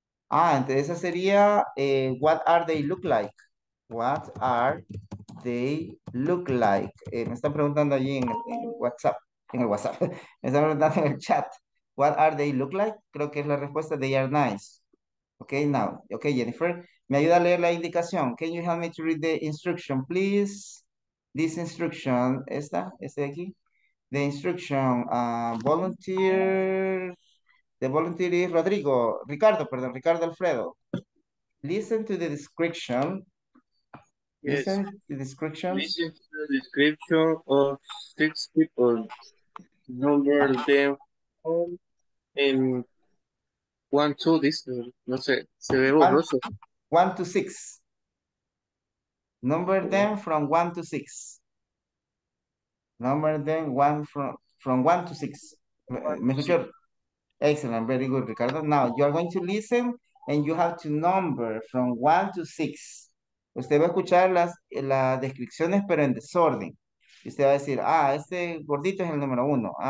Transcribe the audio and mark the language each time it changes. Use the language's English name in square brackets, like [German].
[Spanish] Entonces esa sería, [English] what are they look like? What are they look like? [Spanish] Me están preguntando allí en el WhatsApp. Me están preguntando en el chat. [English] What are they look like? [Spanish] Creo que es la respuesta, [English] they are nice. Okay, now. [Spanish] Okay, Jennifer, me ayuda a leer la indicación. [English] Can you help me to read the instruction, please? This instruction, [Spanish] este de aquí. [English] The instruction, volunteer is Ricardo Alfredo. Listen to the description. Yes. Listen to the description. Listen to the description of 6 people. Number them home and 1, 2, this, [Spanish] no sé, se ve borroso. [English] 1 to 6. Number them from 1 to 6. Number them from 1 to 6. [Spanish] Me escucho. [English] Excellent, very good, Ricardo. Now, you are going to listen and you have to number from 1 to 6. [Spanish] Usted va a escuchar las descripciones, pero en desorden. Y usted va a decir, este gordito es el número 1.